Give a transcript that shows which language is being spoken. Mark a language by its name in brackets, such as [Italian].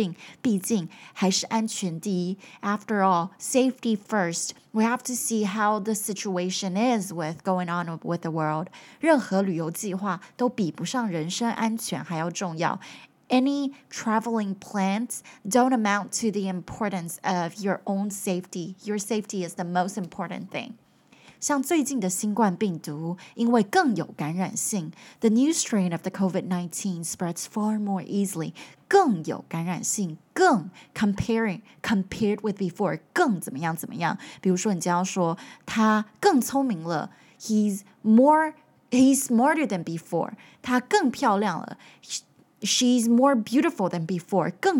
[Chinese] 还有一些国家政策相关的事情啊，得看看病毒状况怎么样才能做后续的决定。毕竟还是安全第一。 [English] After all, safety first. We have to see how the situation is with going on with the world. [Chinese] 任何旅游计划都比不上人身安全还要重要。 [English] Any traveling plans don't amount to the importance of your own safety. Your safety is the most important thing. [Chinese] 像最近的新冠病毒，因为更有感染性, [English] the new strain of the COVID-19 spreads far more easily. [Chinese] 更有感染性, 更, [English] compared with before, [Chinese] 更怎么样怎么样。比如说你只要说他更聪明了, [English] he's smarter than before, [Chinese] 他更漂亮了, [English] She's more beautiful than before.